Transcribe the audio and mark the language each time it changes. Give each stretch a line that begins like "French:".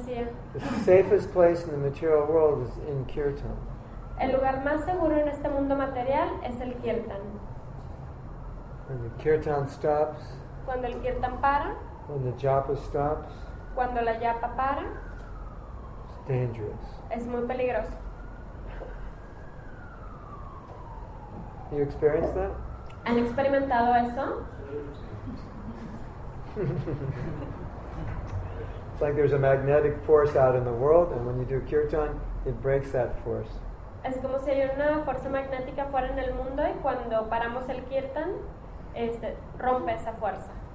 English: said, the safest place in the material world is in kirtan.
Spanish: El lugar más seguro en este mundo material es el kirtan.
English: When the kirtan stops.
Spanish: Cuando el kirtan para.
English: When the japa stops.
Spanish: Cuando la japa para.
English: It's dangerous.
Spanish: Es muy peligroso.
English: Have you experienced that?
Spanish: ¿Han experimentado eso?
English: It's like there's a magnetic force out in the world, and when you do kirtan, it breaks that force.
Spanish: Es como si hay una fuerza magnética fuera en el mundo y cuando paramos el kirtan, rompe esa fuerza.